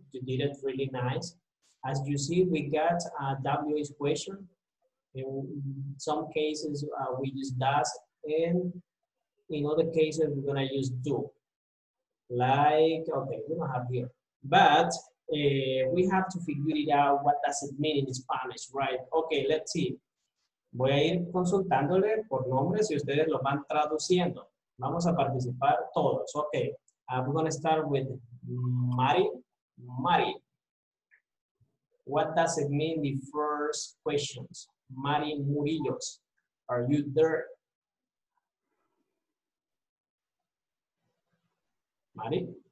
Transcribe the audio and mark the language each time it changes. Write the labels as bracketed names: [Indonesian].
[English] You did it really nice. As you see, we got a WH question. In some cases, we use does, and in other cases, we're going to use do. Like, okay, we don't have here. But we have to figure it out what does it mean in Spanish, right? Okay, let's see. [Spanish] Voy a ir consultándole por nombres y ustedes lo van traduciendo. Vamos a participar todos. [English] Okay, we're going to start with Mari. Mari, what does it mean, the first questions? Mari Murillos, are you there? Mari?